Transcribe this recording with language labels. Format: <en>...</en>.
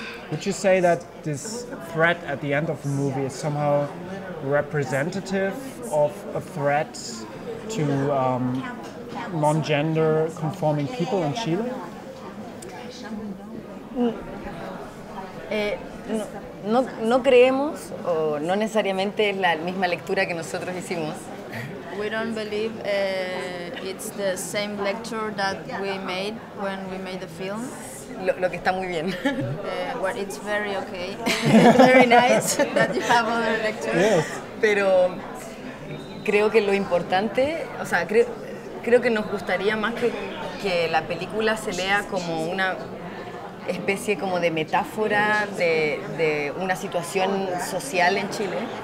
<en>Would you say that this threat at the end of the movie is somehow representative of a threat to non-gender conforming people in Chile?</en> <es>No creemos, o no necesariamente es la misma lectura que nosotros hicimos.</es> <en>We don't believe it's the same lecture that we made when we made the film.</en> <es>Lo que está muy bien.</es> <en>Well, it's very okay. Very nice that you have other lectures. Yes.</en> <es>Pero creo que lo importante, o sea, creo que nos gustaría más que la película se lea como una especie como de metáfora de una situación social en Chile.</es>